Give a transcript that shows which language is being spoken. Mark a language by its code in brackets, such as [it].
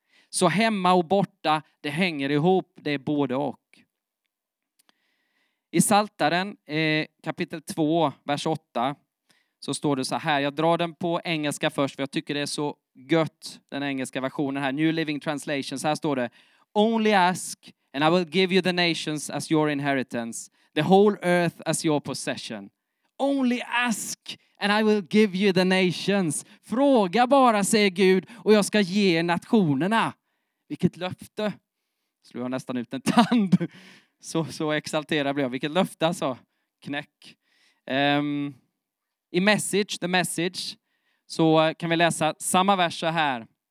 [sv] Så hemma och borta, det hänger ihop, det är både och. I Saltaren kapitel 2, vers 8, så står det så här. Jag drar den på engelska först, för jag tycker det är så gött, den engelska versionen här. New Living Translation, så här står det. [en] Only ask, and I will give you the nations as your inheritance, the whole earth as your possession. Only ask, and I will give you the nations. [sv] Fråga bara, säger Gud, och jag ska ge nationerna. Vilket löfte. Slår jag nästan ut en tand. Så exalterad blev jag. Vilket löfte alltså. Knäck. I Message, The Message, så kan vi läsa samma vers så här.